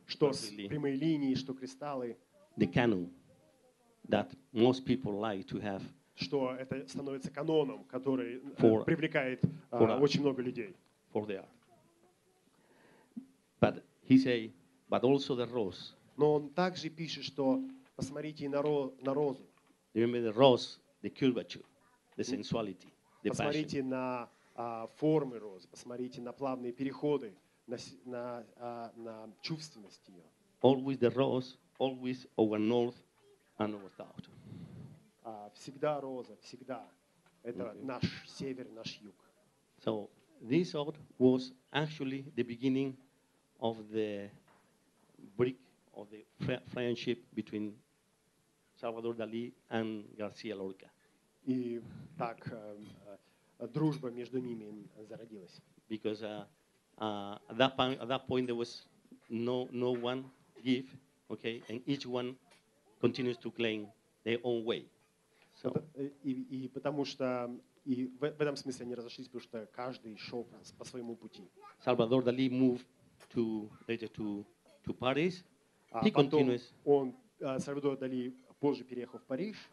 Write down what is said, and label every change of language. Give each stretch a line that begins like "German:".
Russian: что прямые линии, что кристаллы,
English: the canon that most people like to have,
Russian: что это становится каноном, который for, привлекает
English: for art,
Russian: очень много людей.
English: For the art. But he say, but also the rose.
Russian: Но он также пишет, что посмотрите на розу.
English: Remember the rose, the curvature, the sensuality, the passion.
Russian: Посмотрите на формы розы, посмотрите на плавные переходы, на чувственность ее.
English: Always the rose, always our north and our south.
Russian: Всегда роза, всегда. Это okay. Наш север, наш юг.
English: So this art was actually the beginning of the brick of the friendship between Salvador Dali and Garcia Lorca.
Russian: И так дружба между ними зародилась.
English: Because at that point there was no one give, okay, and each one continues to claim their own way. So.
Russian: И потому что и в этом смысле они разошлись, потому что каждый шел по своему пути.
English: Salvador Dali moved later to Paris. He continues.
Russian: Он Сальвадор Дали позже переехал в Париж.